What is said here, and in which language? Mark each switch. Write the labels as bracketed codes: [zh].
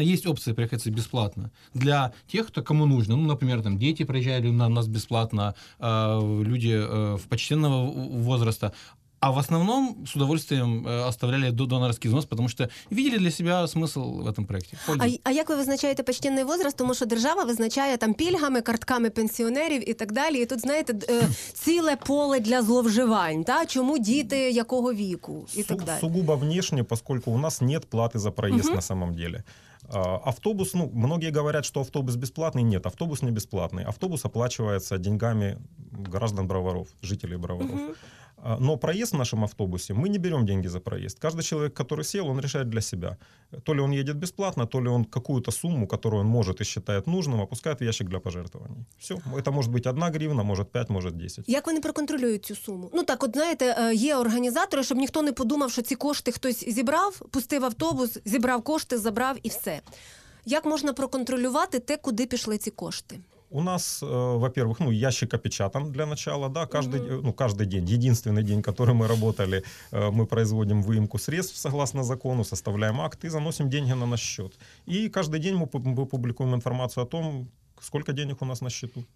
[ru] Есть опция проехаться бесплатно для тех, кто кому нужно. Ну, например, там дети проезжали на нас бесплатно, люди в почтенного возраста. А в основном с удовольствием оставляли донорский взнос, потому что видели для себя смысл в этом проекте. [uk] А як ви визначаєте [ru] почтенний возраст? [uk] Тому що держава визначає там пільгами, картками пенсіонерів і так далі. І тут, знаєте, ціле поле для зловживань. Та? Чому діти, якого віку? І так далі. [ru] Сугубо внешне, поскольку у нас нет [uk] плати за проїзд [ru] на самом деле. Автобус, ну, многие говорят, что автобус бесплатный. Нет, автобус не бесплатный. Автобус оплачивается деньгами граждан Броваров, жителей Броваров. Угу. Но проезд в нашем автобусе, мы не берем деньги за проезд. Каждый человек, который сел, он решает для себя. То ли он едет бесплатно, то ли он какую-то сумму, которую он может и считает нужным, опускает в ящик для пожертвований. Все. Это может быть 1 гривна, может 5, может 10. [uk] Як вони проконтролюють цю суму? Ну так, от знаєте, є організатори, щоб ніхто не подумав, що ці кошти хтось зібрав, пустив автобус, зібрав кошти, забрав і все. Як можна проконтролювати те, куди пішли ці кошти? [ru] У нас, во-первых, ну, ящик опечатан для начала, да, каждый, ну, каждый день, единственный день, который мы работали, мы производим выемку средств согласно закону, составляем акт и заносим деньги на наш счет. И каждый день мы публикуем информацию о том, сколько денег у нас на счету.